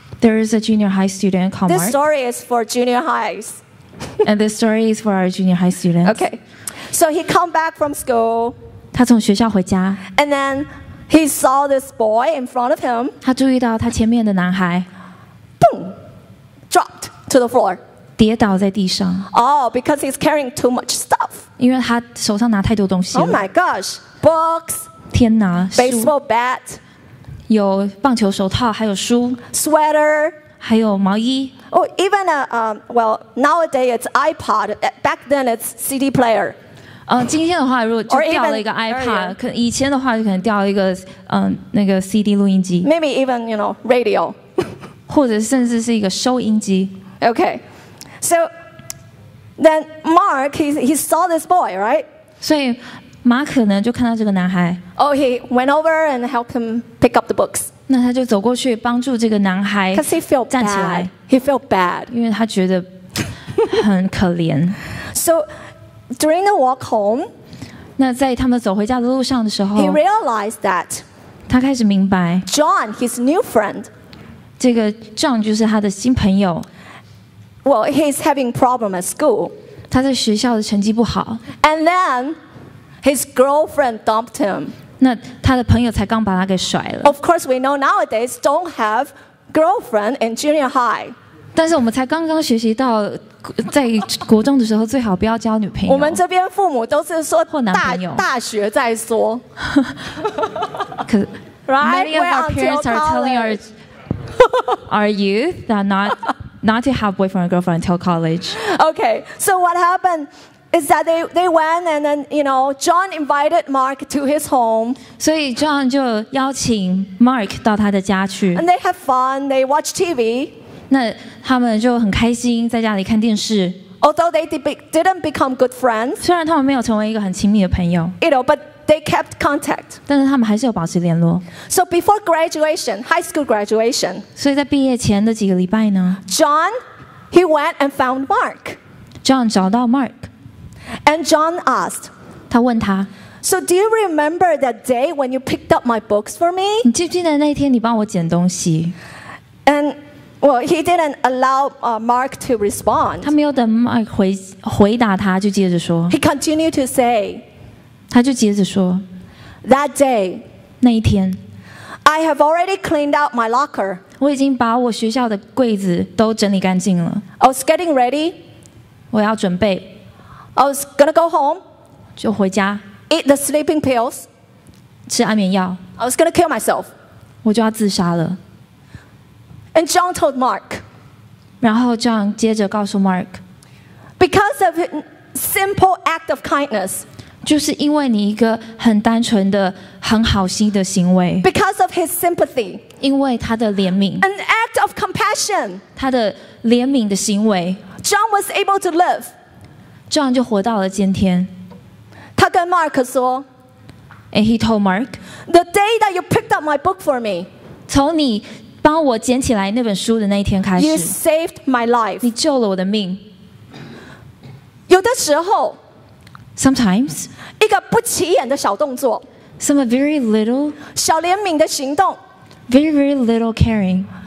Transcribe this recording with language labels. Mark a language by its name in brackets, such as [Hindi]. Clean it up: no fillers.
[English] There is a junior high student called Mark. This story is for junior highs. And this story is for our junior high students. Okay. So he come back from school. [Chinese] 他从学校回家。 [English] And then he saw this boy in front of him. [Chinese] 他注意到他前面的男孩。 [English] Boom! Dropped to the floor. [Chinese] 跌倒在地上。 [English] Oh, because he's carrying too much stuff. [Chinese] 因为他手上拿太多东西了。 [English] Oh my gosh! Books. [Chinese] 天哪。 [English] Baseball bat. [Chinese] 有棒球手套，还有书。 [English] Sweater. [Chinese] 还有毛衣。 [English] Oh, even a, well, nowadays it's iPod. Back then it's CD player. [Chinese] 今天的话如果就掉了一个 iPod, 以前的话就可能掉了一个那个 CD 录音机。 [English] Maybe even, you know, radio. [Chinese] 或者甚至是一个收音机。 [English] Okay. So, then Mark, he saw this boy, right? [Chinese] 所以马可呢就看到这个男孩。 [English] Oh, he went over and helped him pick up the books. [Chinese] 那他就走过去帮助这个男孩站起来 [English] he felt bad [Chinese] 因为他觉得很可怜 [English] So during the walk home [Chinese] 那在他们走回家的路上的时候 [English] ，He realized that [Chinese] 他开始明白 [English] John, his new friend, [Chinese] 这个 John 就是他的新朋友。 [English] Well, he's having problem at school. [Chinese] 他在学校的成绩不好。 [English] And then his girlfriend dumped him. [Chinese] 那他的朋友才刚把他给甩了。 [English] Of course, we know nowadays don't have girlfriend in junior high. [Chinese] 但是我们才刚刚学习到。在国中的时候最好不要交女朋友我们这边父母都是说或男朋友大学再说可 [English] right? Many of our parents are telling our youth that not to have boyfriend or girlfriend until college Okay, so what happened is that they went and then you know, John invited Mark to his home [Chinese] 所以 John 就邀请 Mark 到他的家去 [English] And they have fun, they watch TV [Chinese] 那他们就很开心，在家里看电视。 [English] Although they didn't become good friends， [Chinese] 虽然他们没有成为一个很亲密的朋友 [English] ，you know， but they kept contact。 [Chinese] 但是他们还是有保持联络。 [English] So before graduation， high school graduation， [Chinese] 所以在毕业前的几个礼拜呢 [English] ，John he went and found Mark。 [Chinese] John 找到 Mark， [English] and John asked， [Chinese] 他问他 [English] ，So do you remember that day when you picked up my books for me？ [Chinese] 你记不记得那天你帮我捡东西 [English] ？And Well, he didn't allow Mark to respond. [Chinese] 他没有等 Mark 回答他，就接着说。 [English] He continued to say. [Chinese] 他就接着说。 [English] That day. [Chinese] 那一天。 [English] I have already cleaned out my locker. [Chinese] 我已经把我学校的柜子都整理干净了。 [English] I was getting ready. [Chinese] 我要准备。 [English] I was gonna go home. [Chinese] 就回家。 [English] Eat the sleeping pills. [Chinese] 吃安眠药。 [English] I was gonna kill myself. [Chinese] 我就要自杀了。 [English] And John told Mark. [Chinese] 然后 John 接着告诉 Mark. [English] Because of a simple act of kindness. [Chinese] 就是因为你一个很单纯的、很好心的行为。 [English] Because of his sympathy. [Chinese] 因为他的怜悯。 [English] An act of compassion. [Chinese] 他的怜悯的行为。 [English] John was able to live. [Chinese] John 就活到了今天。他跟 Mark 说。 [English] And he told Mark. The day that you picked up my book for me. [Chinese] 从你帮我捡起来那本书的那一天开始 [English] You saved my life [Chinese] 你救了我的命有的时候 [English] Sometimes [Chinese] 一个不起眼的小动作 [English] Some very little [Chinese] 小怜悯的行动 [English] Very very little caring